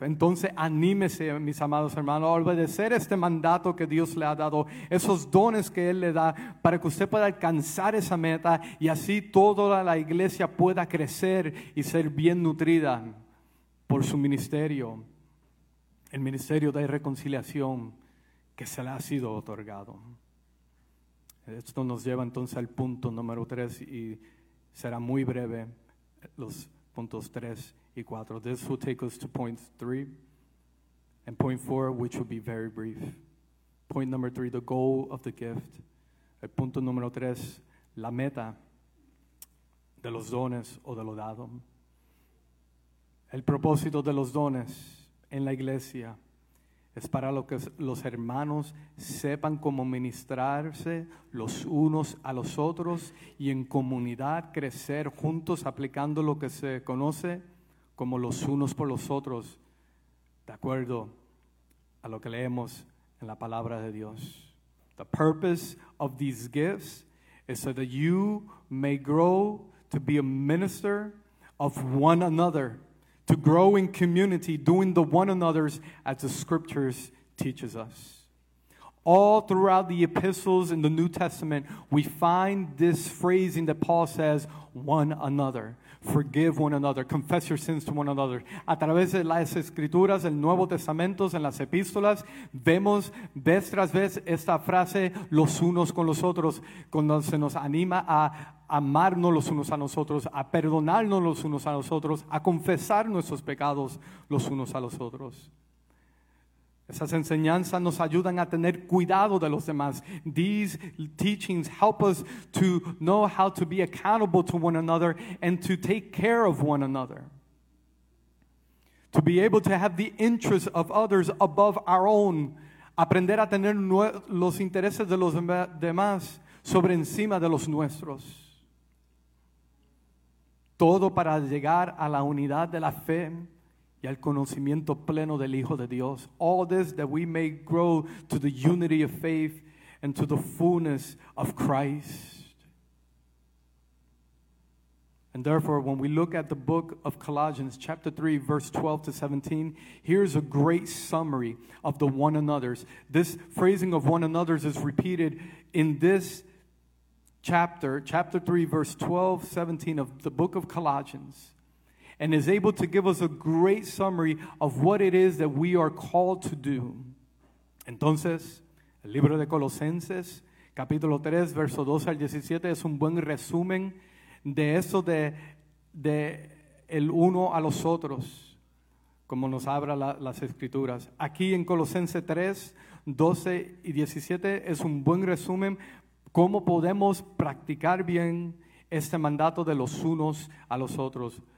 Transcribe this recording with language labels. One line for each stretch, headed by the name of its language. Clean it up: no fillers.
Spanish: Entonces, anímese, mis amados hermanos, a obedecer este mandato que Dios le ha dado, esos dones que Él le da, para que usted pueda alcanzar esa meta y así toda la iglesia pueda crecer y ser bien nutrida por su ministerio, el ministerio de reconciliación que se le ha sido otorgado. Esto nos lleva entonces al punto número 3 y será muy breve. Los puntos 3 y 4.
English: This will take us to point 3 and point 4, which will be very brief. Point number 3, the goal of the gift.
Spanish: El punto número 3, la meta de los dones o de lo dado. El propósito de los dones en la iglesia es para lo que los hermanos sepan cómo ministrarse los unos a los otros y en comunidad crecer juntos aplicando lo que se conoce como los unos por los otros, de acuerdo a lo que leemos en la palabra de Dios.
English: The purpose of these gifts is so that you may grow to be a minister of one another, to grow in community, doing the one another's as the scriptures teaches us. All throughout the epistles in the New Testament, we find this phrasing that Paul says, one another. Forgive one another. Confess your sins to one another.
Spanish: A través de las escrituras, el Nuevo Testamento, en las epístolas, vemos vez tras vez esta frase, los unos con los otros, cuando se nos anima a amarnos los unos a nosotros, a perdonarnos los unos a nosotros, a confesar nuestros pecados los unos a los otros. Esas enseñanzas nos ayudan a tener cuidado de los demás.
English: These teachings help us to know how to be accountable to one another and to take care of one another. To be able to have the interests of others above our own.
Spanish: Aprender a tener los intereses de los demás sobre encima de los nuestros. Todo para llegar a la unidad de la fe y al conocimiento pleno del Hijo de Dios.
English: All this that we may grow to the unity of faith and to the fullness of Christ. And therefore, when we look at the book of Colossians, chapter 3, verse 12 to 17, here's a great summary of the one another's. This phrasing of one another's is repeated in this chapter 3, verse 12, 17 of the book of Colossians, and is able to give us a great summary of what it is that we are called to do.
Spanish: Entonces, el libro de Colosenses, capítulo 3, verso 12 al 17, es un buen resumen de eso de el uno a los otros, como nos abra las escrituras. Aquí en Colosenses 3, 12 y 17, es un buen resumen cómo podemos practicar bien este mandato de los unos a los otros.